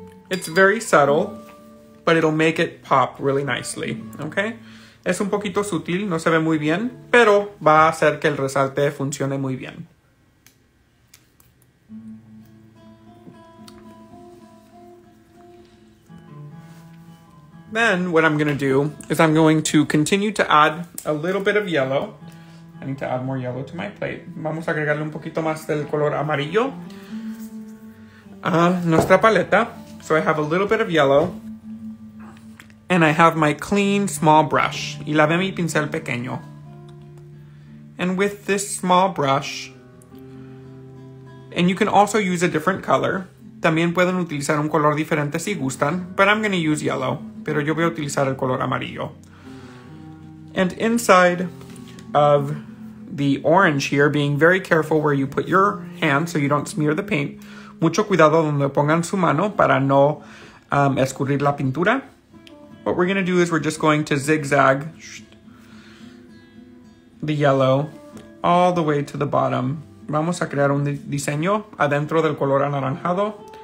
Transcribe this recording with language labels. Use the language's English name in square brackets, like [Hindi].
[English] It's very subtle, but it'll make it pop really nicely, okay? [Spanish] Es un poquito sutil, no se ve muy bien, pero va a hacer que el resalte funcione muy bien. [English] Then what I'm gonna do is I'm going to continue to add a little bit of yellow. I need to add more yellow to my plate. [Spanish] Vamos a agregarle un poquito más del color amarillo a nuestra paleta. [English] So I have a little bit of yellow and I have my clean small brush. [Spanish] Y lavé mi pincel pequeño. [English] And with this small brush, and you can also use a different color. [Spanish] También pueden utilizar un color diferente si gustan, [English] but I'm gonna use yellow. [Spanish] Pero yo voy a utilizar el color amarillo. [English] And inside of the orange here, being very careful where you put your hand so you don't smear the paint. [Spanish] Mucho cuidado donde pongan su mano para no escurrir la pintura. [English] What we're going to do is we're just going to zigzag the yellow all the way to the bottom. [Spanish] Vamos a crear un diseño adentro del color anaranjado.